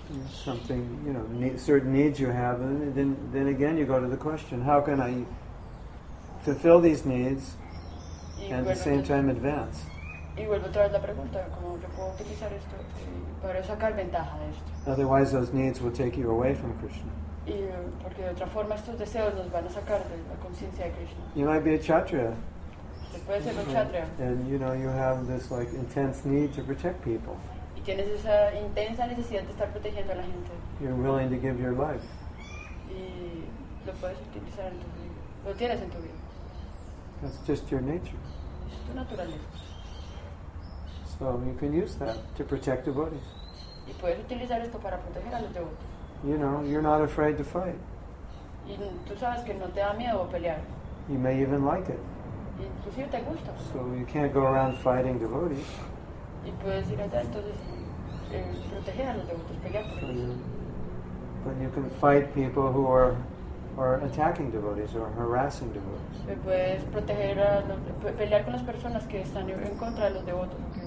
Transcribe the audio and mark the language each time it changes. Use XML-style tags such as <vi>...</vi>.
<en>Something, you know, certain needs you have, and then again you go to the question, how can I fulfill these needs and at the same time advance?</en> <es>Y vuelvo otra vez la pregunta, ¿cómo yo puedo utilizar esto para sacar ventaja de esto?</es> <en>Otherwise those needs will take you away from Krishna.</en> <es>Y porque de otra forma estos deseos nos van a sacar de la conciencia de Krishna.</es> <en>You might be a kshatriya.</en> <es>Puede ser un kshatriya.</es> <en>And you know, you have this like intense need to protect people.</en> <es>Y tienes esa intensa necesidad de estar protegiendo a la gente.</es> <en>You're willing to give your life.</en> <es>Y lo puedes utilizar en tu vida. Lo tienes en tu vida.</es> <en>That's just your nature.</en> <es>Es tu naturaleza.</es> <en>So you can use that to protect devotees.</en> <es>Y puedes utilizar esto para proteger a los devotees.</es> <en>You know, you're not afraid to fight.</en> <es>Y tú sabes que no te da miedo pelear.</es> <en>You may even like it.</en> <es>Y inclusive te gusta.</es> <en>So you can't go around fighting devotees.</en> <es>Y puedes ir allá entonces proteger a los devotees, pelear por ellos.</es> <en>But you can fight people who are attacking devotees or harassing devotees.</en> <es>Puedes proteger a pelear con las personas que están en contra de los devotees.</es>